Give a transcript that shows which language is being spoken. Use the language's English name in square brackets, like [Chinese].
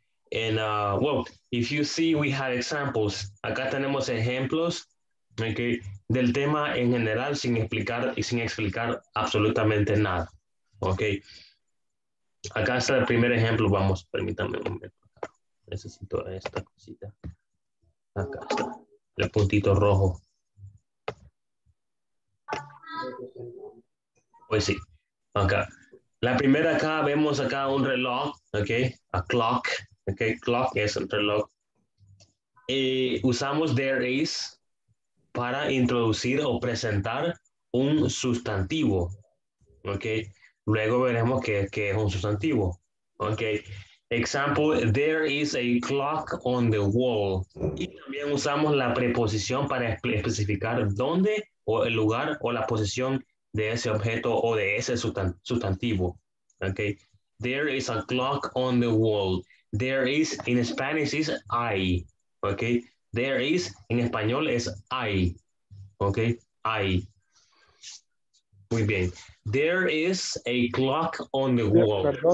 [English] And well, if you see, we have examples. [Spanish] Acá tenemos ejemplos, okay, del tema en general sin explicar absolutamente nada. Okay. Acá está el primer ejemplo. Vamos, permítame un momento. Necesito esta cosita. Acá está. El puntito rojo. Pues sí. Acá. La primera acá, vemos acá un reloj, okay, [English] a clock, [Spanish] okay, clock es un reloj. Usamos there is para introducir o presentar un sustantivo, okay. Luego veremos qué es un sustantivo, okay. [English] Example, there is a clock on the wall. [Spanish] Y también usamos la preposición para especificar dónde o el lugar o la posición de ese objeto o de ese sustantivo. [English] Okay, there is a clock on the wall. There is, in Spanish, is I. Okay, there is, [Spanish] en español, es I. Okay, I. Muy bien. [English] There is a clock on the wall.